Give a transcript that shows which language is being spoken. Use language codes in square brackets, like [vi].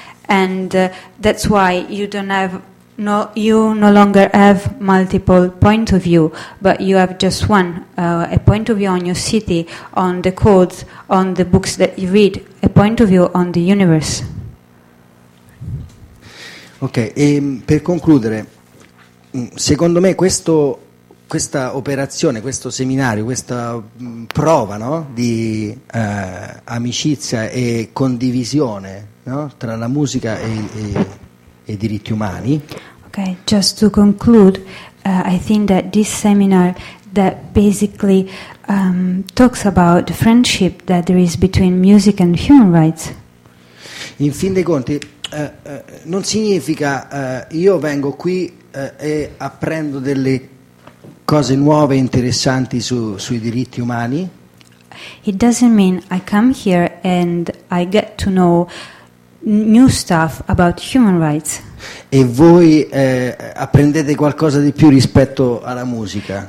[en] And that's why you don't have, you no longer have multiple points of view, but you have just one, a point of view on your city, on the codes, on the books that you read, a point of view on the universe. [it] Ok, per concludere, secondo me questa operazione, questo seminario, questa prova, no, di amicizia e condivisione, no, tra la musica e i diritti umani. [en] Okay, just to conclude, I think that this seminar that basically talks about the friendship that there is between music and human rights. [it] In fin dei conti, non significa io vengo qui e apprendo delle cose nuove e interessanti sui diritti umani. [en] It doesn't mean I come here and I get to know new stuff about human rights. [it] E voi apprendete qualcosa di più rispetto alla musica.